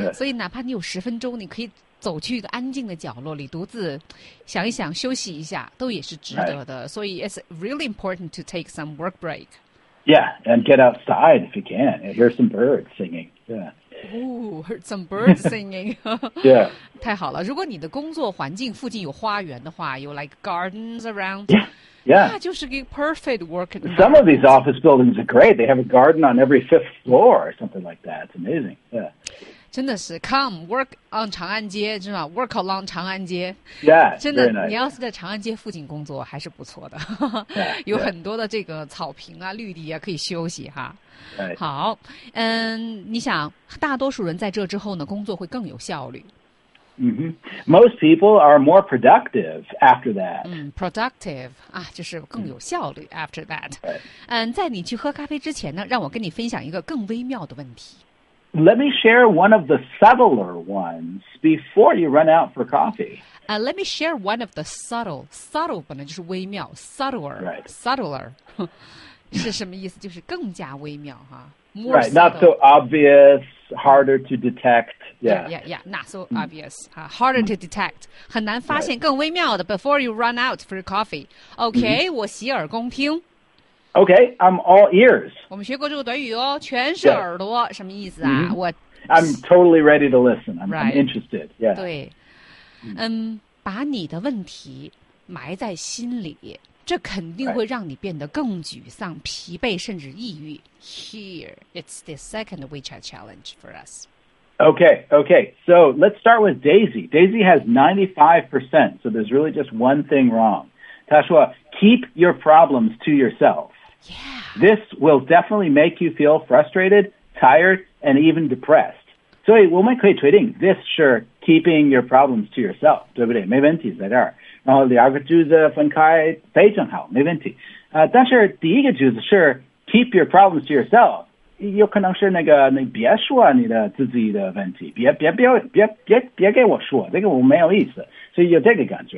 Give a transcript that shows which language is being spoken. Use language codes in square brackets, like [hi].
[zh] 所以哪怕你有十分钟，你可以走去一个安静的角落里独自想一想，休息一下，都也是值得的。 [en] 所以 it's really important to take some work break. Yeah, and get outside if you can. Hear some birds singing. Yeah. Ooh, heard some birds singing. yeah. [zh] 太好了。如果你的工作环境附近有花园的话，有 [en] like gardens around. Yeah. Yeah. [zh] 那就是一个 perfect work. [en] Some of these office buildings are great. They have a garden on every fifth floor or something like that. It's amazing. Yeah. [zh] 真的是 [en] come work on 长安街，是吧 ？Work along 长安街。 Yeah. [zh] 真的， [en] very nice. [zh] 你要是在长安街附近工作，还是不错的。 [en] yeah, [zh] 有很多的这个草坪啊、绿地啊，可以休息哈。 [en] Right. [zh] 好，你想，大多数人在这之后呢，工作会更有效率。 [en] Most people are more productive after that. [zh] Productive 啊，就是更有效率 [en] after that. Right. [zh] 在你去喝咖啡之前呢，让我跟你分享一个更微妙的问题。 [en] Let me share one of the subtler ones before you run out for coffee. Let me share one of the subtle. Subtle [zh] 本来就是微妙 [en] ，subtler. Right. Subtler. [zh] 是什么意思？就是更加微妙哈、 [en] More、Right, not so obvious, harder to detect. Yeah, yeah, yeah, not so obvious.、harder to detect. [zh] 很难发现更微妙的 [en] before you run out for your coffee. [zh] Okay,、我洗耳恭听。 [en] Okay, I'm all ears. [zh] 我们学过这个短语哦，全是耳朵、 [en] yeah. [zh] 什么意思啊、我 [en] I'm totally ready to listen. I'm,、 right. I'm interested. Yeah. [zh] 对、把你的问题埋在心里。这肯定会让你变得更沮丧、 [en] right. [zh] 疲惫甚至抑郁。 [en] Here, it's the second WeChat challenge for us. Okay, okay. So let's start with Daisy. Daisy has 95%, so there's really just one thing wrong. Tashua, keep your problems to yourself. Yeah. This will definitely make you feel frustrated, tired, and even depressed. [zh] 所以我们可以确定 [en] this sure, keeping your problems to yourself. [zh] 对不对？没问题，在这儿。然后两个句子分开非常好，没问题。但是第一个句子是 [en] keep your problems to yourself， [zh] 有可能是那个你别说你的自己的问题，别给我说，这个我没有意思，所以有这个感觉。